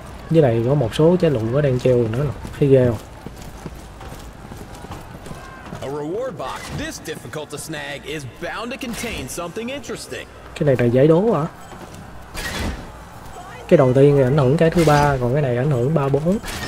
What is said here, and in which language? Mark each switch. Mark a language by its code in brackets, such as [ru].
[vi] Với này có một số trái lụng nó đang treo nữa nè. Thấy ghê không? [en] A reward box this difficult to snag is bound to contain something interesting. [vi] Cái này là giải đố hả? Cái đầu tiên ảnh hưởng cái thứ ba, còn cái này ảnh hưởng 3-4.